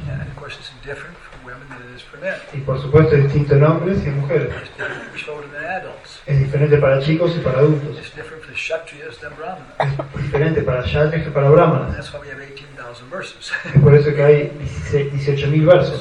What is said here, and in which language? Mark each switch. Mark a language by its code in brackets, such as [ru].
[en] Yeah, and of course it's different for women than it is for men. [es] Y por supuesto es distinto en hombres y en mujeres. [en] It's different for children and adults. [es] Es diferente para chicos y para adultos. [en] It's different for Kshatriyas than Brahmanas. [es] Es diferente para Kshatriyas que para Brahmanas. [en] That's why we have 18,000 verses. [es] Es por eso que hay 18,000 versos.